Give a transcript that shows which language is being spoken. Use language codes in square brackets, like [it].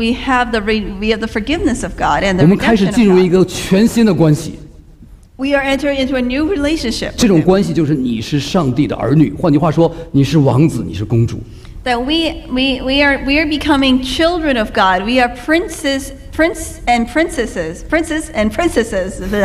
[en] We have the forgiveness of God and the. [zh] 我们开始进入一个全新的关系。 [en] We are entering into a new relationship. [zh] 这种关系就是你是上帝的儿女，换句话说，你是王子，你是公主。 [en] That we are becoming children of God. We are princes, prince and princesses, princes and princesses.